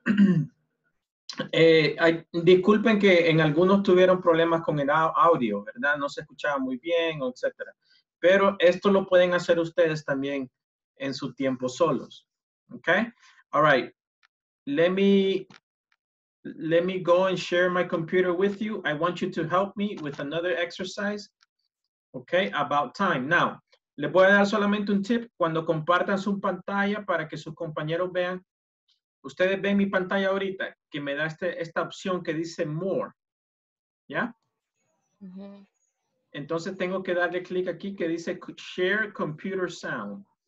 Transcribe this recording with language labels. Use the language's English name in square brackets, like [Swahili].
[Spanish] disculpen que en algunos tuvieron problemas con el audio, ¿verdad? No se escuchaba muy bien, etc. Pero esto lo pueden hacer ustedes también en su tiempo solos. [English] Okay? All right. Let me go and share my computer with you. I want you to help me with another exercise. Okay, about time. Now, [Spanish] les voy a dar solamente un tip. Cuando compartan su pantalla para que sus compañeros vean, ustedes ven mi pantalla ahorita, que me da esta opción que dice more. ¿Ya? Uh-huh. Entonces tengo que darle clic aquí que dice [English] share computer sound.